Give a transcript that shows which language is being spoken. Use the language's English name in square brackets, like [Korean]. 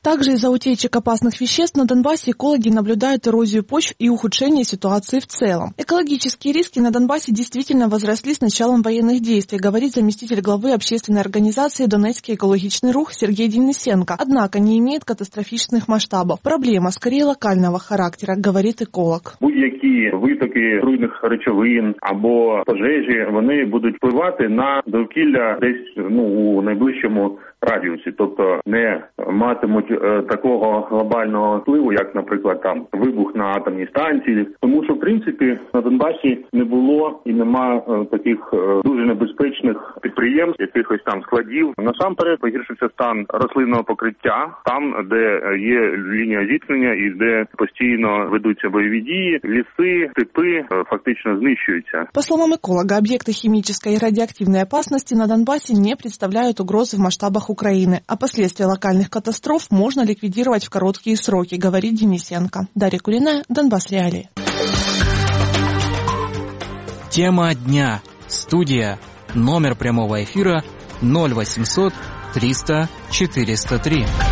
[Russian] Также из-за утечек опасных веществ на Донбассе экологи наблюдают эрозию почв и ухудшение ситуации в целом. Экологические риски на Донбассе действительно возросли с началом военных действий, говорит заместитель главы общественной организации Донецкий экологический уличный рух Сергей Денисенко, однако не имеет катастрофичных масштабов. Проблема скорее локального характера, говорит эколог. [Ukrainian] Будь-які витоки труйних речовин або пожежі, вони будуть впливати на довкілля десь у найближчому радіусі, тобто не матимуть такого глобального впливу, як, наприклад, там вибух на атомній станції. Тому що, в принципі, на Донбасі не було і немає таких дуже небезпечних підприємств, якихось там складів. Насамперед, погіршився стан рослинного покриття, там, де є лінія зіткнення і де постійно ведуться бойові дії, ліси, степи фактично знищуються. По словам еколога, об'єкти хімічної і радіоактивної опасності на Донбасі не представляють угрози в масштабах Украины. [Russian] А последствия локальных катастроф можно ликвидировать в короткие сроки, говорит Денисенко. Дарья Кулина, Донбасс Реалии. Тема дня. Студия. Номер прямого эфира 0800 300 403.